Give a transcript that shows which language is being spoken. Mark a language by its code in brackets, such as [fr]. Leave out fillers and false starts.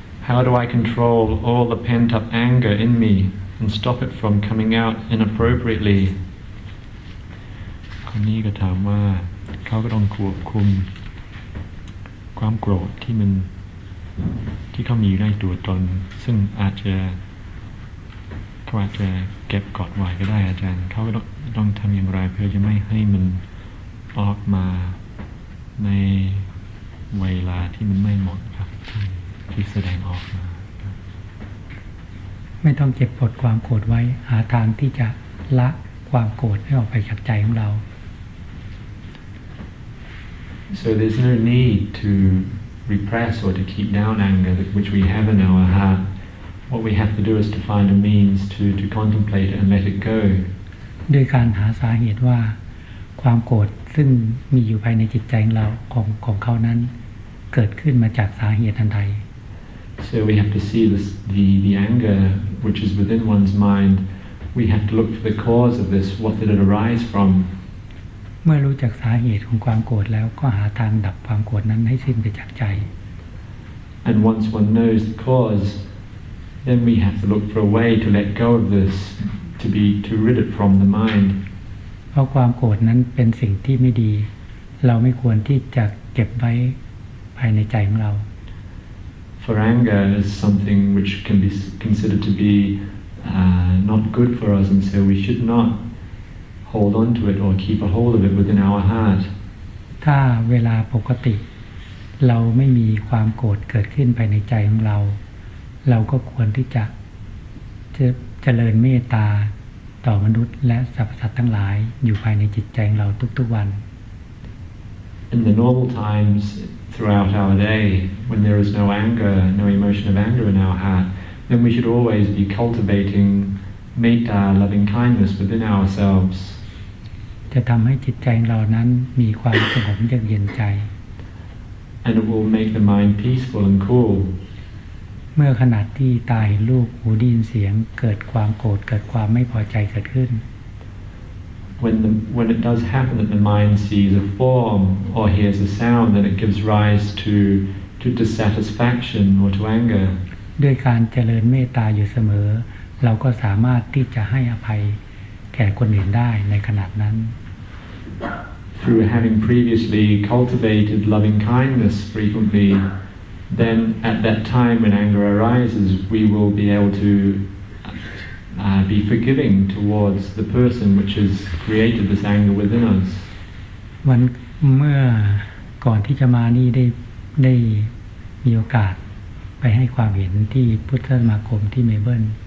[en] How do I control all the pent-up anger in me and stop it from coming out inappropriately? [th] คนนี้ก็ถามว่าเขาก็ต้องควบคุมความโกรธที่มันที่เขามีอยู่ในตัวตนซึ่งอาจจะเขาอาจจะเก็บกอดไว้ก็ได้อาจารย์เขาก็ต้องทำอย่างไรเพื่อจะไม่ให้มันออกมาในเวลาที่มันไม่หมดครับที่แสดงออกมา ไม่ต้องเก็บกดความโกรธไว้หาทางที่จะละความโกรธให้ออกไปจากใจของเรา [en] So there's no need to repress or to keep down anger which we have in our heartWhat we have to do is to find a means to contemplate it and let it go. [th] ด้วยการหาสาเหตุว่าความโกรธซึ่งมีอยู่ภายในจิตใจของเราของเขานั้นเกิดขึ้นมาจากสาเหตุอันใด [en] So we have to see the anger which is within one's mind. We have to look for the cause of this. What did it arise from? [th] เมื่อรู้จักสาเหตุของความโกรธแล้วก็หาทางดับความโกรธนั้นให้สิ้นไปจากใจ [en] And once one knows the cause. Then we have to look for a way to let go of this, to rid it from the mind. [th] เพราะความโกรธนั้นเป็นสิ่งที่ไม่ดีเราไม่ควรที่จะเก็บไว้ภายในใจของเรา [en] For anger is something which can be considered to be not good for us, and so we should not hold on to it or keep a hold of it within our heart. [th] ถ้าเวลาปกติเราไม่มีความโกรธเกิดขึ้นภายในใจของเราเราก็ควรที่จะเจริญเมตตาต่อมนุษย์และสรรพสัตว์ทั้งหลายอยู่ภายในจิตใจของเราทุกๆวัน [en] In the normal times throughout our day when there is no anger no emotion of anger in our heart then we should always be cultivating metta loving kindness within ourselves [th] จะทำให้จิตใจเรานั้นมีความสงบเย็นใจ [en] And it will make the mind peaceful and cool [th] เมื่อขณะที่ตาเห็นรูปหูได้ยินเสียงเกิดความโกรธเกิดความไม่พอใจเกิดขึ้น [en] When it does happen that the mind sees a form or hears a sound then it gives rise to dissatisfaction or to anger [th] ด้วยการเจริญเมตตาอยู่เสมอเราก็สามารถที่จะให้อภัยแก่คนอื่นได้ในขณะนั้น [en] Through having previously cultivated loving kindness frequentlythen at that time when anger arises we will be able to be forgiving towards the person which has created this anger within us [th] วันเมื่อก่อนที่จะมานี่ได้มีโอกาสไปให้ความเห็นที่พุทธสมาคมที่เมเบิล